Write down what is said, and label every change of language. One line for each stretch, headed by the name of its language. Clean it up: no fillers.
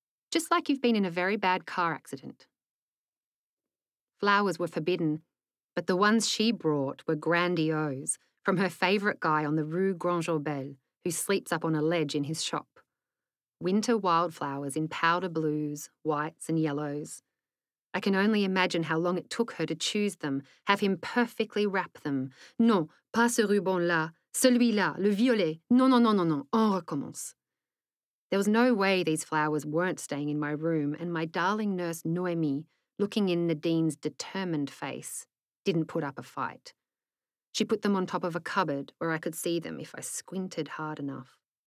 English: Just like you've been in a very bad car accident. Flowers were forbidden, but the ones she brought were grandiose, from her favourite guy on the Rue Grandjean-Belle, who sleeps up on a ledge in his shop. Winter wildflowers in powder blues, whites and yellows. I can only imagine how long it took her to choose them, have him perfectly wrap them.
French: Non, pas ce ruban-là, celui-là, le violet. Non, non, non, non, non, on recommence.
English: There was no way these flowers weren't staying in my room, and my darling nurse Noémie, looking in Nadine's determined face, didn't put up a fight. She put them on top of a cupboard where I could see them if I squinted hard enough.